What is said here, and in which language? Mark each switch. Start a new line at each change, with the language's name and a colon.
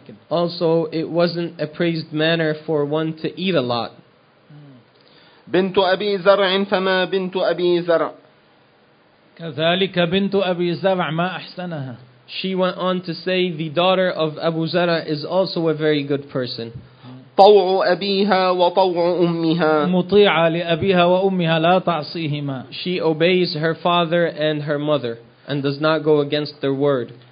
English: Also, it wasn't a praised manner for one to eat a lot.
Arabic: بنت أبي زرع فما بنت أبي زرع. كذلك بنت أبي زرع ما أحسنها.
English: She went on to say, "The daughter of Abu Zar'a is also a very good person."
Arabic: طوع أبيها وطوع أمها. مطيعة لأبيها وأمها لا تعصيهما.
English: She obeys her father and her mother and does not go against their word.